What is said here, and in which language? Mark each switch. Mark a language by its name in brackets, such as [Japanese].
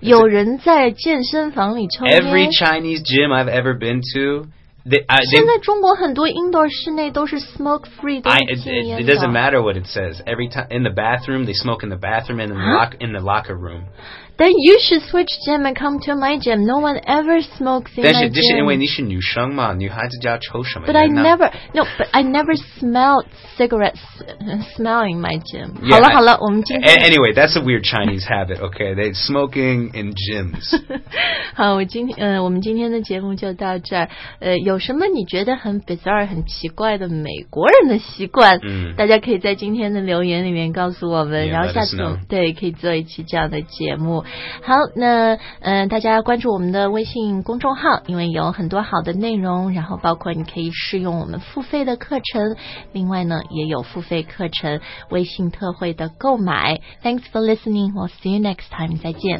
[Chinese] 有人在健身房里抽烟? [English] Every Chinese gym I've ever been to, they, [Chinese] 现在中国很多 indoor 室内都是 smoke-free, 都是禁烟的。 [English] It doesn't matter what it says. Every time, in the bathroom, they smoke in the bathroom and in the locker room. Then you should switch gym and come to my gym. No one ever smokes in my gym. [Chinese] 但是因为你是女生嘛，女孩子家抽什么烟呢? [English] But I never smelled cigarettes smelling my gym. Yeah, [Chinese] 好了好了，我们今天。 [English] Anyway, that's a weird Chinese habit, okay? They smoking in gyms. [Chinese] 好，我们今天的节目就到这儿。有什么你觉得很 bizarre, 很奇怪的美国人的习惯？嗯、mm.。大家可以在今天的留言里面告诉我们， [English] yeah, [Chinese] 然后下次对可以做一期这样的节目。好，那大家关注我们的微信公众号，因为有很多好的内容，然后包括你可以试用我们付费的课程，另外呢也有付费课程微信特惠的购买。 [English] Thanks for listening. We'll see you next time. [Chinese] 再见，